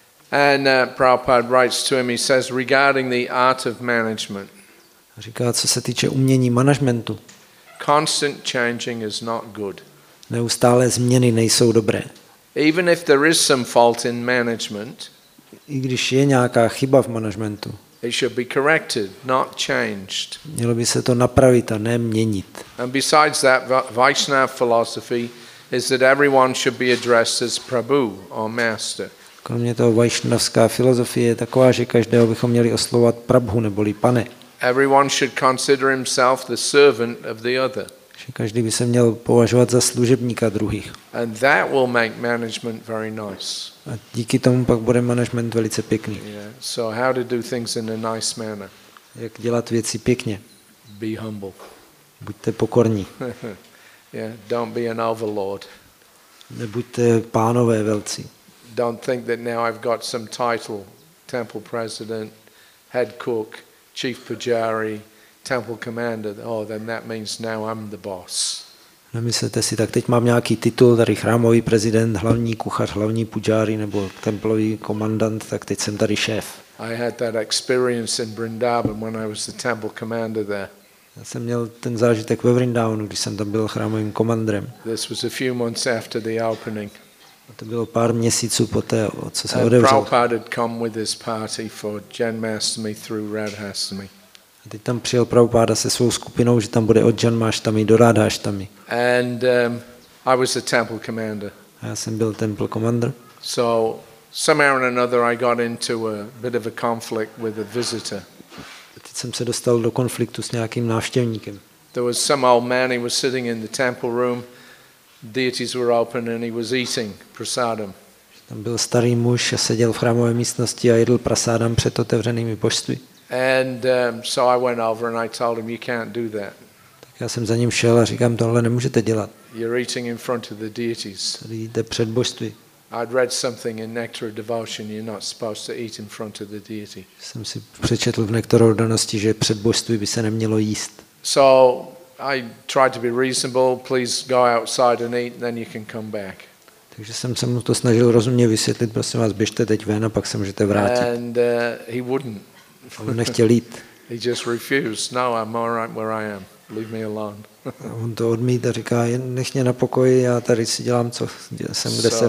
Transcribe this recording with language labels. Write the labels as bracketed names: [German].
[English] And Prabhupada writes to him, he says, regarding the art of management. [Czech] Říká, co se týče umění managementu. [English] Constant changing is not good. [Czech] Neustálé změny nejsou dobré. [English] Even if there is some fault in management, [Czech] i když je nějaká chyba v managementu, [English] it should be corrected, not changed. [Czech] Mělo by se to napravit a ne měnit. [English] And besides that, Vaishnava philosophy is that everyone should be addressed as Prabhu or Master. [Czech] Kromě toho vaishnavská filozofie je taková, že každého bychom měli oslovovat Prabhu neboli Pane. [English] Everyone should consider himself the servant of the other. [Czech] Že každý by se měl považovat za služebníka druhých. [English] And that will make management very nice. [Czech] A díky tomu pak bude management velice pěkný. [English] So how to do things in a nice manner. [Czech] Jak dělat věci pěkně. [English] Be humble. [Czech] Buďte pokorní. [English] Yeah, don't be an overlord. [Czech] Nebuďte pánové velcí. [English] Don't think that now I've got some title, temple president, head cook, chief pujari, temple commander. Oh, then that means now I'm the boss. [Czech] Nemyslete si, tak teď mám nějaký titul, tady chrámový prezident, hlavní kuchař, hlavní pujari nebo templový komandant, tak teď jsem tady šéf. [English] I had that experience in Vrindavan when I was the temple commander there. [Czech] Já jsem měl ten zážitek ve Vrindavanu, když jsem tam byl chrámovým komandrem. [English] This was a few months after the opening. [Czech] A to bylo pár měsíců poté, co se odevřel. [English] Prabhupada had come with his party for Janmashtami through Radhashtami. [Czech] A teď tam přijel Prabhupada se svou skupinou, že tam bude od Janmashtami do Radhashtami. [English] And I was the temple commander. [Czech] A já jsem byl [English] temple commander. So somehow or another I got into a bit of a conflict with a visitor. [Czech] A teď jsem se dostal do konfliktu s nějakým návštěvníkem. [English] There was some old man, he was sitting in the temple room. Deities were open and he was eating prasadam. [Czech] Tam byl starý muž a seděl v chrámové místnosti a jedl prasadam před otevřenými božství. [English] And so I went over and I told him you can't do that. [Czech] Tak já jsem za ním šel a říkám, tohle nemůžete dělat. [English] You're eating in front of the deities. [Czech] Jíte před božství. [English] I'd read something in Nectar of Devotion, you're not supposed to eat in front of the deity. [Czech] Jsem si přečetl v Nektaru odanosti, že před božství by se nemělo jíst. [English] So I tried to be reasonable, please go outside and eat, then you can come back. [Czech] Takže jsem se mu to snažil rozumně vysvětlit, prosím vás, běžte teď ven a pak se můžete vrátit. [English] And he wouldn't. [Czech] A on nechtěl jít. [English] He just refused. No, I'm all right where I am. Leave me alone. [Czech] A on to odmítl a říká, nech mě na pokoji, já tady si dělám, co jsem, kde jsem.